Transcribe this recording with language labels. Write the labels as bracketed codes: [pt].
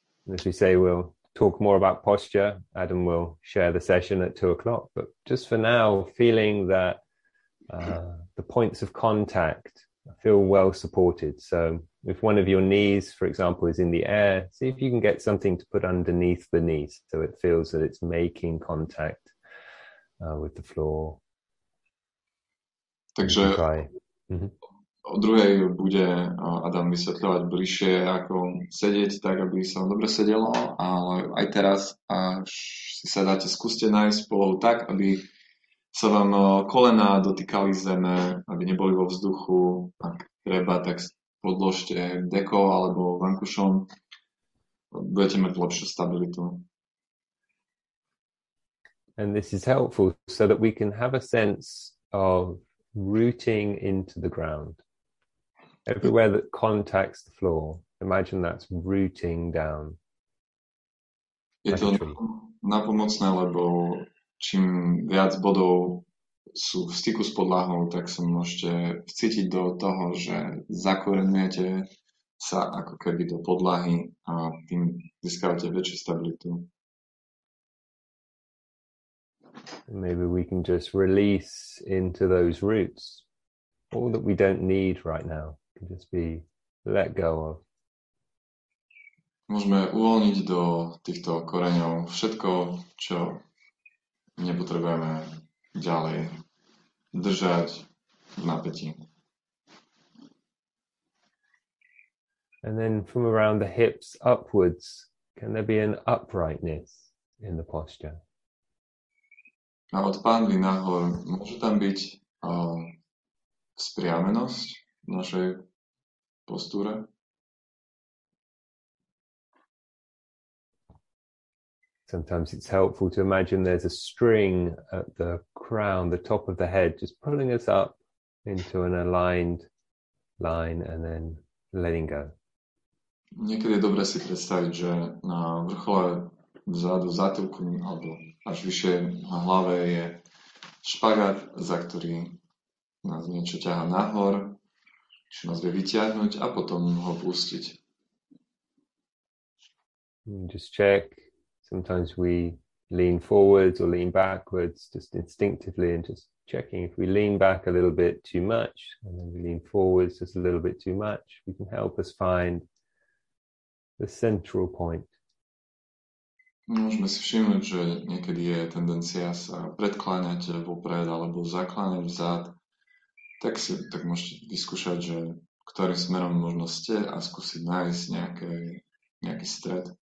[en] As we say, we'll talk more about posture. Adam will share the session at 2:00. But just for now, feeling that the points of contact feel well supported. So if one of your knees, for example, is in the air, see if you can get something to put underneath the knees so it feels that it's making contact with the floor. [sk] Takže o druhej bude Adam vysvetľovať bližšie, ako sedieť tak, aby sa dobre sedelo, ale aj teraz, až si sadáte, skúste nájsť polohu tak, aby sa vám kolena dotýkali zeme, aby neboli vo vzduchu. Ak treba, tak podložte deko alebo vankušom. Budete mať lepšiu stabilitu. [en] And this is helpful so that we can have a sense of rooting into the ground. Everywhere that contacts the floor, imagine that's rooting down. [sk] Je to napomocné, lebo čím viac bodov sú v styku s podlahou, tak sa môžete vcítiť do toho, že zakoreňujete sa ako keby do podlahy a tým získavate väčšiu stabilitu. [en] Maybe we can just release into those roots all that we don't need right now. It can just be let go of. [sk] Môžeme uvoľniť do týchto koreňov všetko, čo nepotrebujeme ďalej držať v napätí. [en] And then from around the hips upwards, can there be an uprightness in the posture? [sk] A od pánvy nahor, môže tam byť vzpriamenosť v našej postúre? [en] Sometimes it's helpful to imagine there's a string at the crown, the top of the head, just pulling us up into an aligned line and then letting go. [sk] Niekedy je dobré si predstaviť, že na vrchole vzadu zatilkom alebo až vyššie na hlave je špagát, za ktorý nás niečo ťaha nahor, čo nás vie vyťahnuť a potom ho pustiť. [en] Just check. Sometimes we lean forwards or lean backwards, just instinctively, and just checking if we lean back a little bit too much, and then we lean forwards just a little bit too much, we can help us find the central point. [sk] Môžeme si všimnúť, že niekedy je tendencia sa predkláňať vopred alebo zakláňať vzad. Tak si tak môžete vyskúšať, že ktorým smerom možno ste a skúsiť nájsť nejaký stred.